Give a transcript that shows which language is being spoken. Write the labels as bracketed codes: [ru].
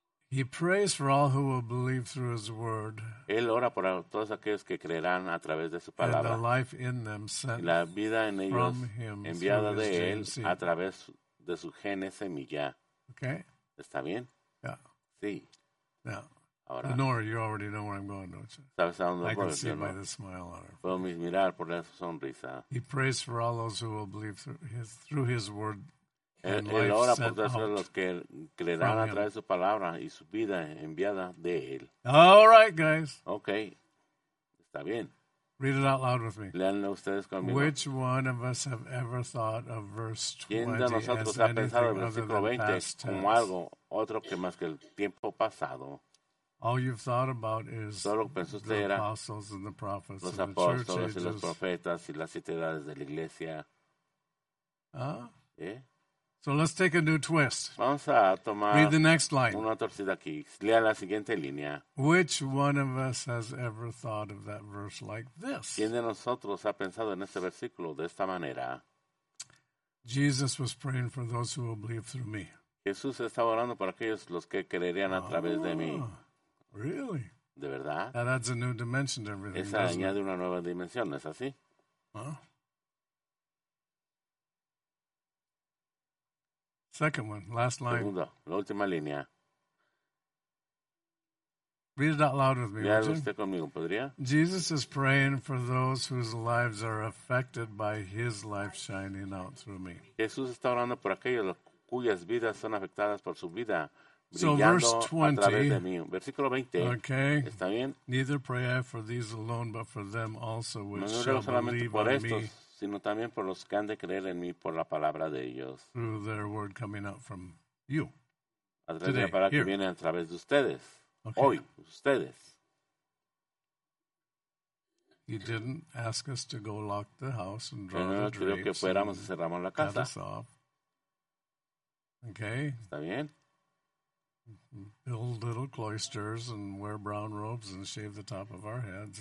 [en] He prays for all who will believe through his word. [es] Él ora por todos aquellos que creerán a través de su palabra. [en] And the life in them sent [es] la vida en ellos [en] from him [es] enviada [en] through [es] de él a través de su gen semilla. [en] Okay. [es] ¿Está bien? [en] Yeah. [es] Sí. [en] Yeah. [es] Ahora. [en] Lenore, you already know where I'm going, don't you? [es] ¿Sabes a dónde voy? [en] I can see by the smile on her. [es] Puedo mirar por la sonrisa. [en] He prays for all those who will believe through his word. [es] Él ora por todos los que creerán a través de su palabra y su vida enviada de él. [en] All right, guys. [es] Okay. Está bien. [en] Read it out loud with me. [es] Léanlo ustedes conmigo. [en] Which one of us have ever thought of verse 20 [es] ¿Quién de nosotros ha pensado en el versículo 20 como algo otro que más que el tiempo pasado? [en] All you've thought about is [es] solo pensó usted era [en] apostles and the prophets [es] los apóstoles y los profetas y las siete edades de la iglesia. [en] ¿Eh? So let's take a new twist. [es] Vamos a tomar [en] read the next line. [es] Una torcida aquí. Lea la siguiente línea. [en] Which one of us has ever thought of that verse like this? [es] ¿Quién de nosotros ha pensado en este versículo de esta manera? [en] Jesus was praying for those who will believe through me. [es] Jesús estaba orando por aquellos los que creerían a través de mí. [en] Really? [es] ¿De verdad? [en] That adds a new dimension to everything. [es] Esa añade una nueva dimensión, ¿es así? [en] Second one, last line. [es] Segunda, la última línea. [en] Read it out loud with me, would you? [es] Usted conmigo, ¿podría? [en] Jesus is praying for those whose lives are affected by his life shining out through me. [es] Jesús está orando por aquellos cuyas vidas son afectadas por su vida brillando [en] so verse 20, [es] a través de mí. Versículo 20. [en] Okay. [es] ¿Está bien? [en] Neither pray I for these alone, but for them also which [es] no, no [en] shall believe [es] por estos. [en] Me. [es] Sino también por los que han de creer en mí por la palabra de ellos. [en] Through their word coming out from you. [es] A través de la palabra que viene a través de ustedes. [en] Okay. [es] Hoy, ustedes. [en] He didn't ask us to go lock the house and draw [es] no [en] the drapes. [es] Que fuéramos y cerramos la casa. [en] Okay. [es] ¿Está bien? [en] Build little cloisters and wear brown robes and shave the top of our heads.